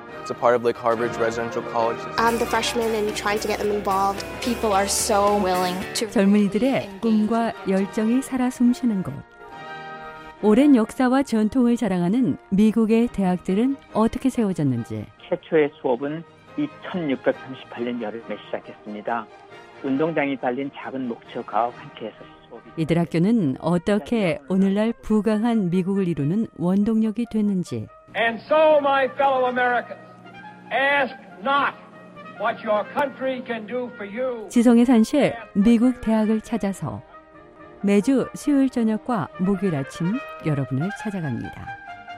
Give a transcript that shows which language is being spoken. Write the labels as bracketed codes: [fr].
[en] It's a part of like Harvard's residential college. I'm the freshman and trying to get them involved. People are so willing to. [ko] 젊은이들의 꿈과 열정이 살아 숨쉬는 곳. 오랜 역사와 전통을 자랑하는 미국의 대학들은 어떻게 세워졌는지. 최초의 수업은 1638년 여름에 시작했습니다. 운동장이 달린 작은 목초가 함께해서 이들 학교는 어떻게 오늘날 부강한 미국을 이루는 원동력이 됐는지. [en] And so my fellow Americans, ask not what your country can do for you. [ko] 지성의 산실 미국 대학을 찾아서 매주 수요일 저녁과 목요일 아침 여러분을 찾아갑니다.